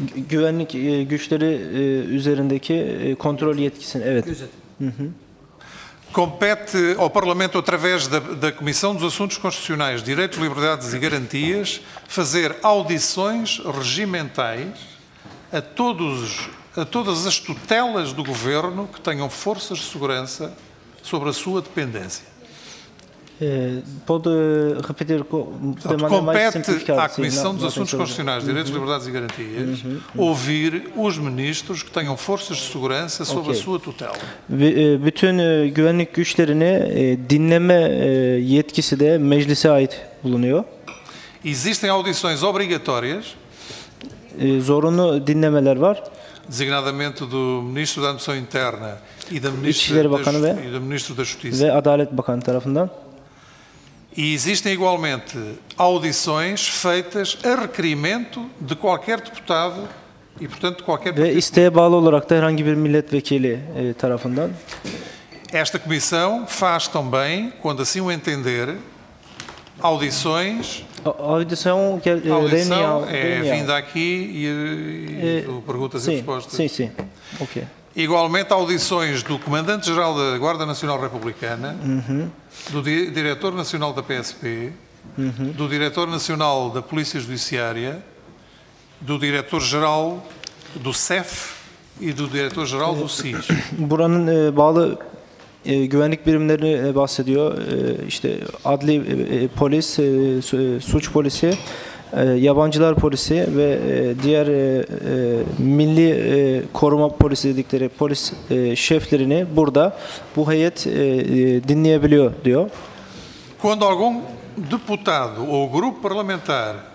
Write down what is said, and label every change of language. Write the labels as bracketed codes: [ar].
[tr] Güvenlik güçleri üzerindeki kontrol yetkisini, evet. [pt] Compete ao Parlamento, através da Comissão dos Assuntos Constitucionais, Direitos, Liberdades e Garantias, fazer audições regimentais a todas as tutelas do Governo que tenham forças de segurança sobre a sua dependência. Pode repetir? Compete à Comissão dos Assuntos Constitucionais, Direitos, Liberdades e Garantias ouvir os ministros que tenham forças de segurança sob a sua tutela. [tr] Bütün güvenlik güçlerini dinleme yetkisi de meclise ait bulunuyor. [pt] Existem audições obrigatórias. [tr] Zorunlu dinlemeler var. [pt] Designadamente do Ministro da Administração Interna e da Ministro da Justiça. [tr] Ve Adalet Bakanı tarafından. [pt] E existem igualmente audições feitas a requerimento de qualquer deputado e, portanto, de qualquer [tr] ve isteğe bağlı olarak da herhangi bir milletvekili tarafından. [pt] Esta comissão faz também, quando assim o entender, audições. A audição é vinda aqui e perguntas sim, e respostas. Sim, sim. Ok. Igualmente, audições do Comandante-Geral da Guarda Nacional Republicana, do Diretor Nacional da PSP, do Diretor Nacional da Polícia Judiciária, do Diretor-Geral do SEF e do Diretor-Geral do SIS. [tr] Buranın bağlı güvenlik birimlerini bahsediyor. İşte adli polis, suç polisi, yabancılar polisi ve diğer milli koruma polisi dedikleri polis şeflerini burada bu heyet dinleyebiliyor diyor. [pt] Quando algum deputado ou grupo parlamentar